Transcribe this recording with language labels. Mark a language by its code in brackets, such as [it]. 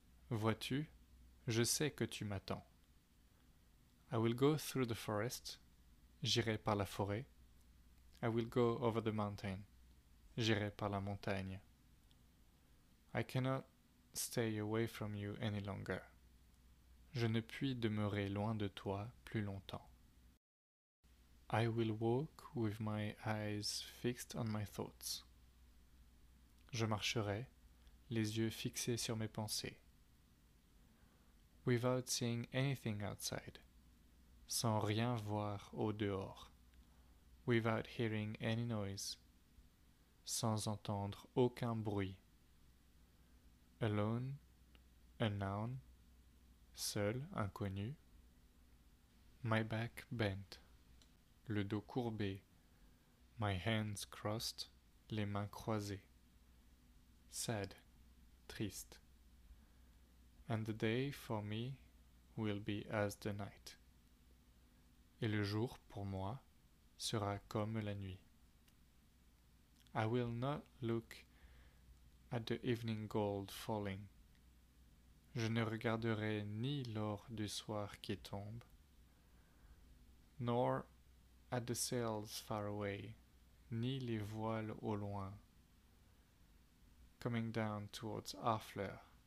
[fr] Vois-tu? Je sais que tu m'attends. [en] I will go through the forest. [fr] J'irai par la forêt. [en] I will go over the mountain. [fr] J'irai par la montagne. [en] I cannot stay away from you any longer. [fr] Je ne puis demeurer loin de toi plus longtemps. [en] I will walk with my eyes fixed on my thoughts. [fr] Je marcherai, les yeux fixés sur mes pensées. [en] Without seeing anything outside, [fr] sans rien voir au dehors, [en] without hearing any noise, [fr] sans entendre aucun bruit. [en] Alone, unknown, [fr] seul, inconnu. [en] My back bent, [fr] le dos courbé, [en] my hands crossed, [fr] les mains croisées. [en] Sad, [fr] triste. [en] And the day for me will be as the night. [fr] Et le jour pour moi sera comme la nuit. [en] I will not look at the evening gold falling. [fr] Je ne regarderai ni l'or du soir qui tombe, [en] nor at the sails far away, [fr] ni les voiles au loin, [en] coming down towards Harfleur.